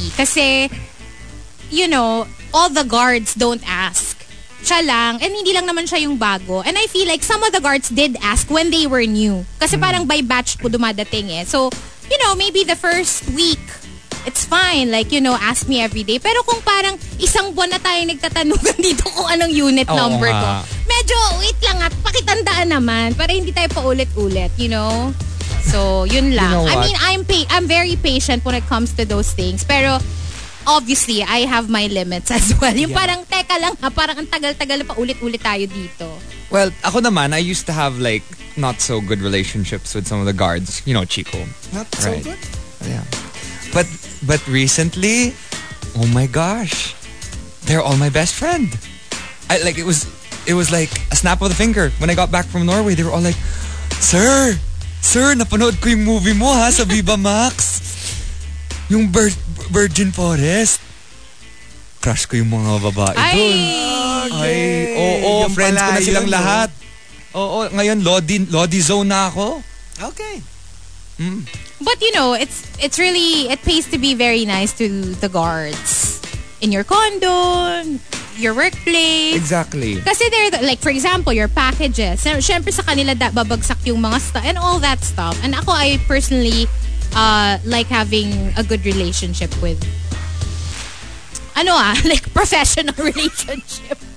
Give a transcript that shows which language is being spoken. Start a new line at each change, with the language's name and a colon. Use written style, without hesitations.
English: Kasi, you know, all the guards don't ask.
Filipino: Siya lang.
English: And
Filipino: hindi lang naman siya yung bago.
English: And I feel like some of the guards did ask when they were new.
Filipino: Kasi parang by batch po dumadating eh.
English: So, you know, maybe the first week, it's fine. Like, you know, ask me every day.
Filipino: Pero kung parang isang buwan na tayo nagtatanong dito kung anong unit number ko. Medyo, wait lang at pakitandaan naman. Para hindi tayo paulit-ulit, you know? So, yun lang.
English: You know, I mean, I'm very patient when it comes to those things.
Filipino: Pero,
English: obviously, I have my limits as well.
Filipino: Yung parang, teka lang ha, parang ang tagal-tagal pa ulit-ulit tayo dito.
English: Well,
Filipino: ako naman,
English: I used to have like not so good relationships with some of the guards. You know, Chico. Not so right. good? Yeah. But recently, oh my gosh, they're all my best friend. It was like a snap of the finger. When I got back from Norway, they were all like, Sir,
Filipino: napanood ko yung movie mo ha sa Viva Max. Yung Virgin Forest. Crush ko yung mga babae doon. Ay, oh, friends ko na silang lahat. Oh, ngayon, Lodi zone na ako.
English: Okay. Mm. But you know, it's really, it pays to be very nice to the guards. In your condo, your workplace. Exactly. Kasi they're the, like, for example, your packages.
Filipino: Syempre sa kanila babagsak yung mga
English: stuff and all that stuff. And ako, I personally like having a good relationship with ano ah, like professional relationship.